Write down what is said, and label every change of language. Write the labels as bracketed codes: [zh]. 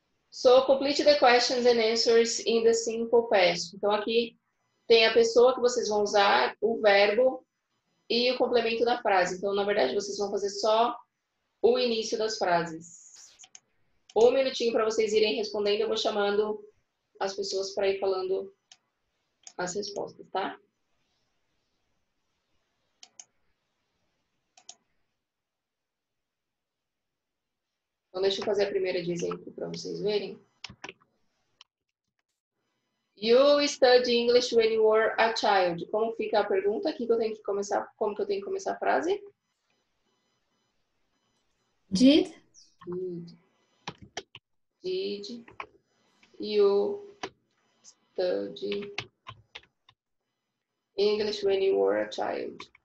[en] So, complete the questions and answers in the simple past. [pt] Então, aqui tem a pessoa que vocês vão usar, o verbo e o complemento da frase. Então, na verdade, vocês vão fazer só o início das frases. Um minutinho para vocês irem respondendo, eu vou chamando as pessoas para ir falando as respostas, tá? Então, deixa eu fazer a primeira de exemplo para vocês verem. [en] You studied English when you were a child. [pt] Como fica a pergunta aqui que eu tenho que começar? Como que eu tenho que começar a frase? [en] Did? Did you study English when you were a child?